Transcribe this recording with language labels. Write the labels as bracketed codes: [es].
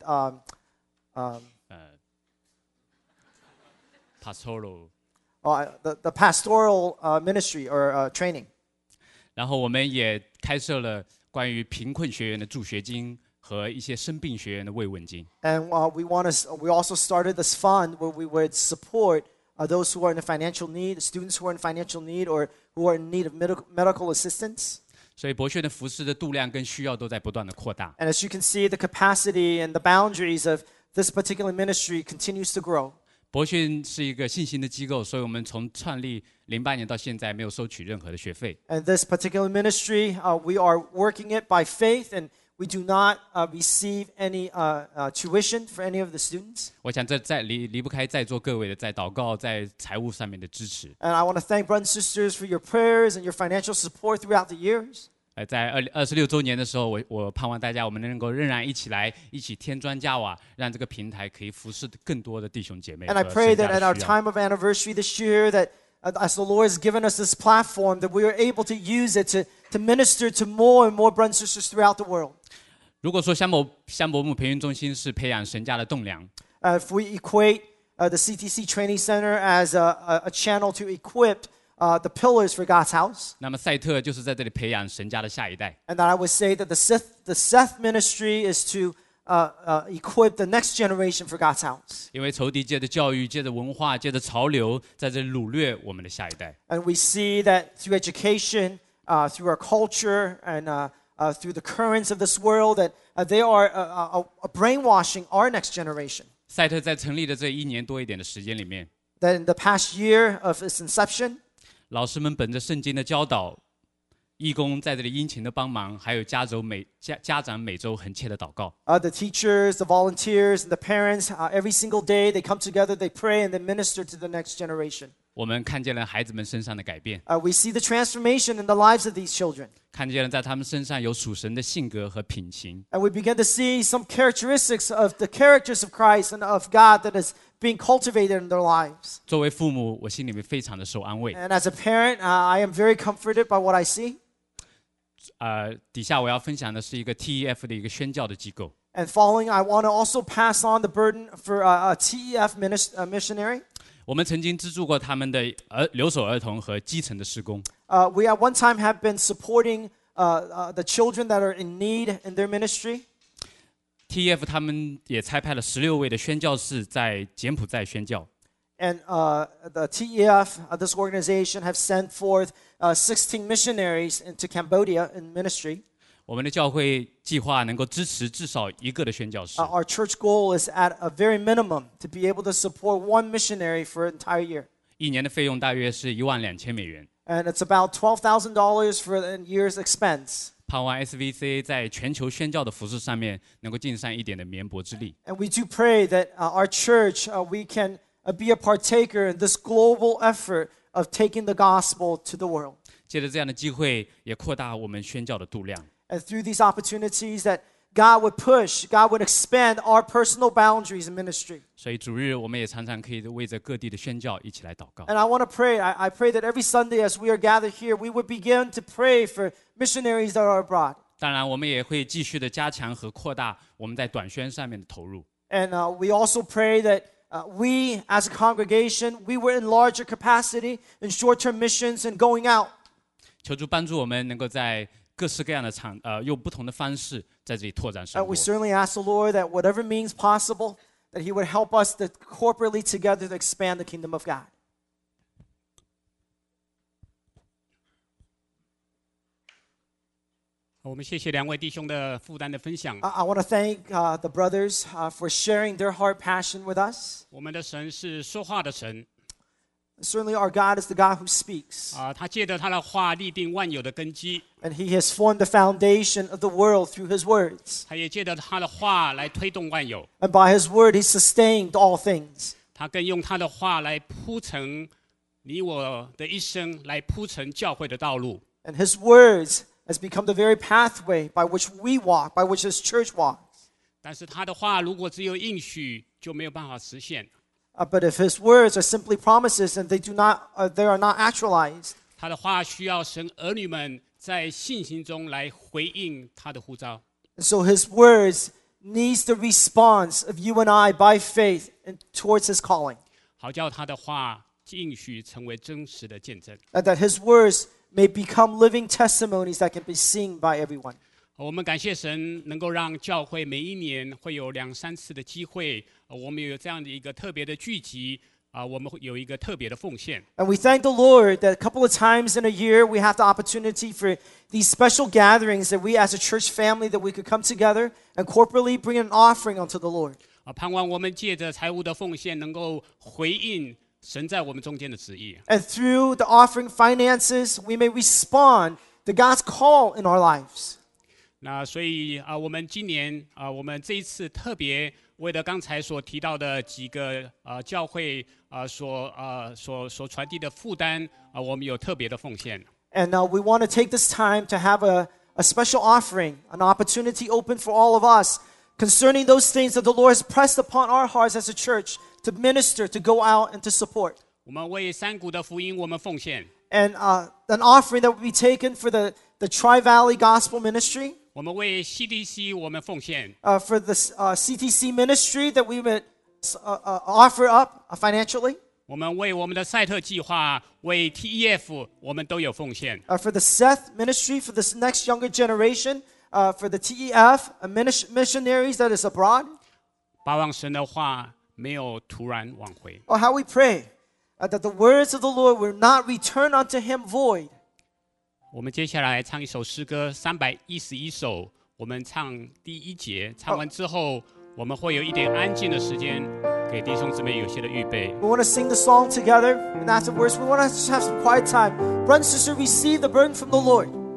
[en] pastoral ministry or training. [zh] 然后我们也开设了关于贫困学员的助学金和一些生病学员的慰问金。 [en] And we also started this fund where we would support. Those who are in financial need, students who are in financial need, or who are in need of medical assistance. [zh] 所以博学的服事的度量跟需要都在不断的扩大。 [en] And as you can see, the capacity and the boundaries of this particular ministry continues to grow. [zh] 博学是一个信心的机构，所以我们从创立08年到现在没有收取任何的学费。 [en] And this particular ministry, we are working it by faith andWe do not receive any tuition for any of the students. [zh] 我想这在离不开在座各位的在祷告在财务上面的支持。 [en] And I want to thank brothers and sisters for your prayers and your financial support throughout the years. [zh] 在26周年的时候，我盼望大家我们能够仍然一起来一起添砖加瓦，让这个平台可以服侍更多的弟兄姐妹。 [en] And I pray that at our time of anniversary this year, that as the Lord has given us this platform, that we are able to use it to minister to more and more brothers and sisters throughout the world. [zh] 如果说香伯姆培训中心是培养神家的栋梁， [en] if we equate the CTC Training Center as a channel to equip the pillars for God's house, [zh] 那么赛特就是在这里培养神家的下一代。 [en] And that I would say that the Seth ministry is to equip the next generation for God's house. [zh] 因为仇敌借着教育，借着文化，借着潮流，在这掳掠我们的下一代。 [en] And we see that through educationthrough our culture and through the currents of this world, that they are brainwashing our next generation. [zh] 赛特在成立的这一年多一点的时间里面， [en] that in the past year of its inception, [zh] 老师们本着圣经的教导，义工在这里殷勤的帮忙，还有家长每周恳切的祷告。 [en] The teachers, the volunteers, and the parents, every single day they come together, they pray and they minister to the next generation. [zh] 我们看见了孩子们身上的改变。 [en] We see the transformation in the lives of these children. [zh] 看见了在他们身上有属神的性格和品行。 [en] And we begin to see some characteristics of the characters of Christ and of God that is being cultivated in their lives. [zh] 作为父母，我心里面非常的受安慰。 [en] And as a parent, I am very comforted by what I see. [zh] 底下我要分享的是一个 TEF 的一个宣教的机构。 [en] And following, I want to also pass on the burden for a TEF missionary. [zh] 我们曾经资助过他们的留守儿童和基层的施工。 [en] We at one time have been supporting the children that are in need in their ministry. [zh] TEF 他们也差派了16位的宣教士在柬埔寨宣教。 [en] And the TEF, this organization, have sent forth 16 missionaries into Cambodia in ministry. [zh] 我们的教会计划能够支持至少一个的宣教士。 [en] Our church goal is at a very minimum to be able to support one missionary for an entire year. [zh] 一年的费用大约是12,000美元。 [en] And it's about $12,000 for a year's expense. [zh] 盼望 SVC 在全球宣教的服事上面能够尽上一点的绵薄之力。 [en] And we do pray that our church we can be a partaker in this global effort of taking the gospel to the world. [zh] 借着这样的机会，也扩大我们宣教的度量。 [en] And through these opportunities that God would push, God would expand our personal boundaries in ministry. [zh] 所以主日我们也常常可以为着各地的宣教一起来祷告。 [en] And I want to pray, I pray that every Sunday as we are gathered here, we would begin to pray for missionaries that are abroad. [zh] 当然我们也会继续的加强和扩大我们在短宣上面的投入。 [en] And we also pray that we as a congregation, we were in larger capacity in short-term missions and going out. [zh] 求主帮助我们能够在各式各样的场用不同的方式在这里拓展生活。 [en] We certainly ask the Lord that whatever means possible, that He would help us to corporately together to expand the kingdom of God. [zh] 我们谢谢两位弟兄的负担的分享。 [en] I want to thank the brothers for sharing their heart passion with us. [zh] 我们的神是说话的神。 [en] Certainly, our God is the God who speaks. [zh] 他借着他的话立定万有的根基。 [en] And He has formed the foundation of the world through His words. [zh] 他也借着他的话来推动万有。 [en] And by His word, He sustained all things. [zh] 他更用他的话来铺成你我的一生，来铺成教会的道路。 [en] And His words has become the very pathway by which we walk, by which His church walks. [zh] 但是他的话如果只有应许，就没有办法实现。 [en] But if his words are simply promises and they are not actualized, [zh] 他的话需要神儿女们在信心中来回应他的呼召。 [en] So his words needs the response of you and I by faith and towards his calling. [zh] 好叫他的话应许成为真实的见证。 [en] And that his words may become living testimonies that can be seen by everyone. [zh] 我们感谢神能够让教会每一年会有两三次的机会，我们有这样的一个特别的聚集，我们有一个特别的奉献。 [en] And we thank the Lord that a couple of times in a year we have the opportunity for these special gatherings that we as a church family that we could come together and corporately bring an offering unto the Lord. [zh] 盼望我们借着财务的奉献能够回应神在我们中间的旨意。 [en] And through the offering finances we may respond to God's call in our lives. [zh] 那所以我们今年我们这一次特别为了刚才所提到的几个教会所传递的负担我们有特别的奉献。 [en] And we want to take this time to have a special offering, an opportunity open for all of us concerning those things that the Lord has pressed upon our hearts as a church to minister, to go out and to support. [zh] 我们为山谷的福音我们奉献。 [en] And an offering that will be taken for the Tri-Valley Gospel Ministry. [zh] 我们为 CTC 我们奉献。 [en] For the CTC ministry that we would offer up financially. [zh] 我们为我们的赛特计划，为 TEF 我们都有奉献。 [en] For the Seth ministry, for this next younger generation, for the TEF missionaries that is abroad. [zh] 巴望神的话没有突然往回。 [en] Oh, how we pray that the words of the Lord will not return unto him void. [zh] 我们接下来唱一首诗歌311首，我们唱第一节，唱完之后我们会有一点安静的时间给弟兄姊妹有些的预备。 [en] We want to sing the song together and afterwards we want to have some quiet time. Brothers and sisters, receive the burden from the Lord.